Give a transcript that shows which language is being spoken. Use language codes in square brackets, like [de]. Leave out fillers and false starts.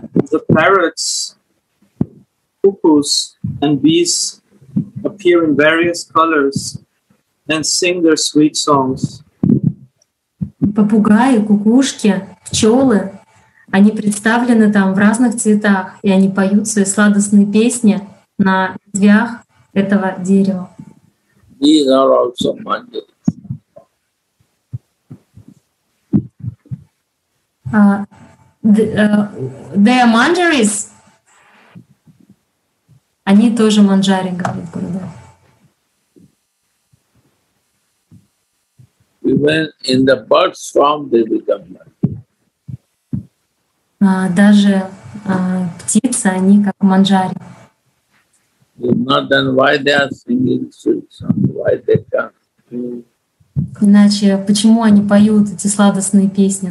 [en] The parrots, cuckoos, and bees appear in various colors and sing their sweet songs. [ru] Попугаи, кукушки, пчелы, они представлены там в разных цветах, и они поют свои сладостные песни на ветвях этого дерева. [en] These are also mandalas. They are manjaris. [ru] Они тоже манджари, говорит Гуруда. [en] Even in the bird's form they become manjari. [ru] Даже птицы, они как манджари. [en] Not then why they are singing sweet songs, why they come. [ru] Иначе, почему они поют эти сладостные песни?